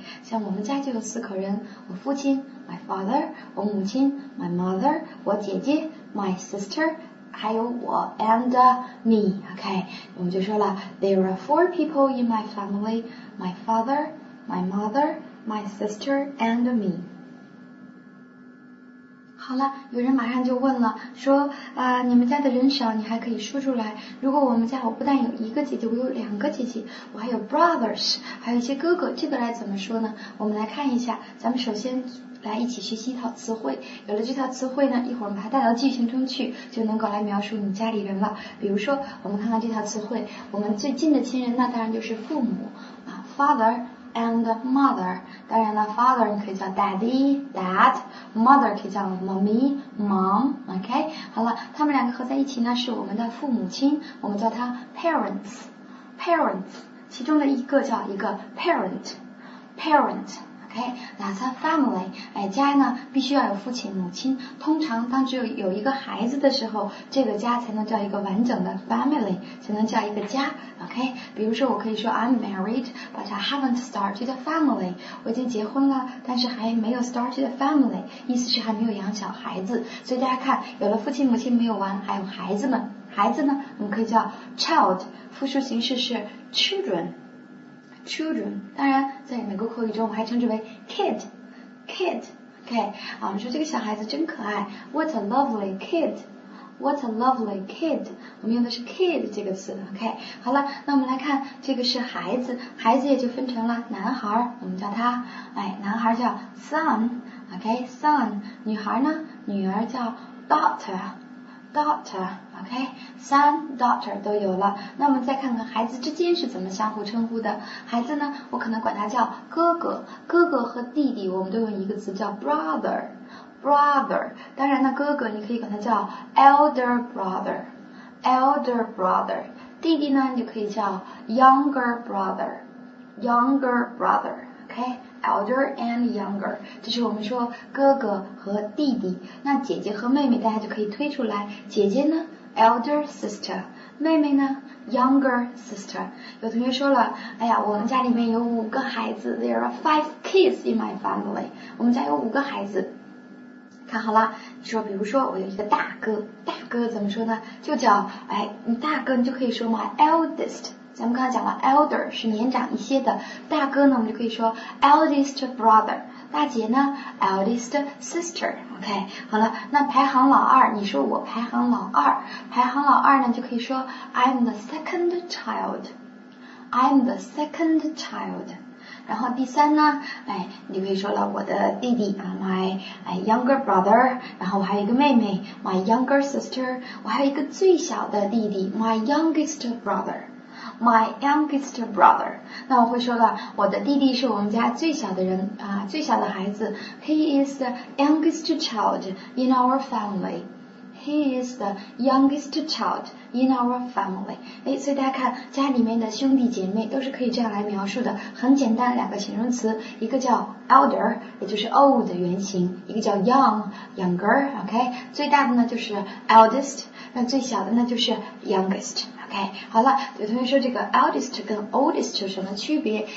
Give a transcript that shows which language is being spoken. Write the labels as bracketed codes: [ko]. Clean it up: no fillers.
[zh] 像我们家就有四口人，我父亲 [en] my father, [zh] 我母亲 [en] my mother, [zh] 我姐姐 [en] my sister, [zh] 还有我 [en] and me. Okay, [zh] 我们就说了 [en] There are four people in my family. My father, my mother, my sister and me. [zh] 好了，有人马上就问了，说啊、你们家的人少，你还可以说出来。如果我们家我不但有一个姐姐，我有两个姐姐，我还有 brothers, 还有一些哥哥，这个来怎么说呢？我们来看一下，咱们首先来一起学习一套词汇。有了这套词汇呢，一会儿我们把它带到句型中去，就能够来描述你家里人了。比如说，我们看看这套词汇，我们最近的亲人那当然就是父母啊 ，father。 [en] And mother, [zh] 当然了 [en] ，father [zh] 你可以叫 [en] daddy, dad, mother [zh] 可以叫 [en] mommy, mom, OK? [zh] 好了，他们两个合在一起呢，是我们的父母亲，我们叫他 parents, parents, 其中的一个叫一个 parent, parent. [en] OK, that's a family. [zh] 家呢必须要有父亲母亲，通常当只有一个孩子的时候，这个家才能叫一个完整的 family, 才能叫一个家。 [en] OK, [zh] 比如说我可以说 [en] I'm married, but I haven't started a family. [zh] 我已经结婚了，但是还没有 [en] started a family, [zh] 意思是还没有养小孩子。所以大家看，有了父亲母亲没有完，还有孩子们。孩子呢我们可以叫 child, 复数形式是 children. Children, 当然在美国口语中我还称之为 kid, kid, OK, 我们说这个小孩子真可爱 , [en] what a lovely kid, [zh] what a lovely kid, 我们用的是 kid 这个词 ,OK, 好了，那我们来看这个是孩子，孩子也就分成了男孩，我们叫他，男孩叫 son, OK, son, 女孩呢，女儿叫 daughter,Daughter, OK, son, daughter 都有了。那我们再看看孩子之间是怎么相互称呼的。孩子呢，我可能管他叫哥哥，哥哥和弟弟我们都用一个词叫 brother, brother。当然呢，哥哥你可以管他叫 elder brother, elder brother。弟弟呢，你就可以叫 younger brother, younger brother, OK? Elder and younger, 这是我们说哥哥和弟弟。那姐姐和妹妹大家就可以推出来，姐姐呢 ,elder sister, 妹妹呢 ,younger sister。有同学说了，哎呀，我们家里面有五个孩子 , [en] there are five kids in my family, [zh] 我们家有五个孩子。看好了，你说比如说我有一个大哥，大哥怎么说呢，就叫你大哥你就可以说 my eldest,咱们刚才讲了 elder 是年长一些的，大哥呢我们就可以说 eldest brother, 大姐呢 ？eldest sister。 OK， 好了，那排行老二，你说我排行老二，排行老二呢就可以说 [en] I'm the second child。 I'm the second child。 [zh] 然后第三呢，哎，你可以说了我的弟弟 ， [en] my younger brother。 [zh] 然后我还有一个妹妹 ， [en] my younger sister。 [zh] 我还有一个最小的弟弟 ， [en] my youngest brother。 My youngest brother， [zh] 那我会说了，我的弟弟是我们家最小的人啊，最小的孩子。 [en] He is the youngest child in our family. He is the youngest child in our family. [zh] 哎，所以大家看，家里面的兄弟姐妹都是可以这样来描述的，很简单，两个形容词，一个叫 elder， 也就是 old 的原型，一个叫 younger， OK， 最大的呢就是 eldest， 那最小的呢就是 youngest。 OK， 好了，有同学说这个 eldest 跟 oldest 有什么区别？